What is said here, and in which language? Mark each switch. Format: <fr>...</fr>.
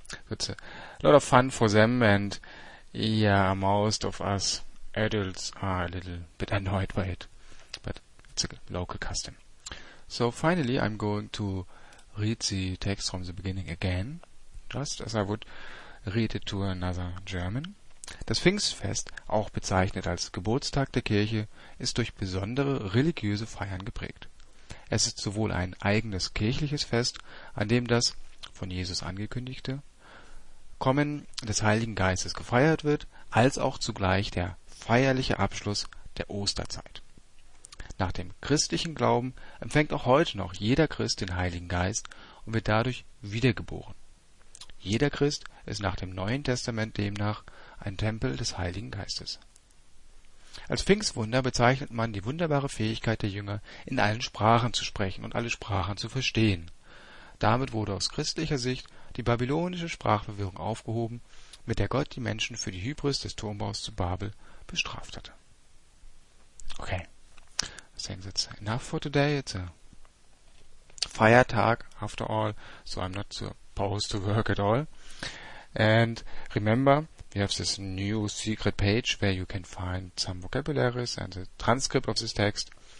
<en>It's a lot of fun for them, and yeah, most of us adults are a little bit annoyed by it. But it's a local custom. So finally, I'm going to read the text from the beginning again, just as I would read it to another German.</en> <de>Das Pfingstfest, auch bezeichnet als Geburtstag der Kirche, ist durch besondere religiöse Feiern geprägt. Es ist sowohl ein eigenes kirchliches Fest, an dem das von Jesus angekündigte Kommen des Heiligen Geistes gefeiert wird, als auch zugleich der feierliche Abschluss der Osterzeit. Nach dem christlichen Glauben empfängt auch heute noch jeder Christ den Heiligen Geist und wird dadurch wiedergeboren. Jeder Christ ist nach dem Neuen Testament demnach ein Tempel des Heiligen Geistes. Als Pfingstwunder bezeichnet man die wunderbare Fähigkeit der Jünger, in allen Sprachen zu sprechen und alle Sprachen zu verstehen. Damit wurde aus christlicher Sicht die babylonische Sprachverwirrung aufgehoben, mit der Gott die Menschen für die Hybris des Turmbaus zu Babel bestraft hatte.</de> <en>Okay, I think that's enough for today. It's a Feiertag after all, so I'm not supposed to work at all. And remember, we have this new secret page where you can find some vocabularies and the transcript of this text.</en>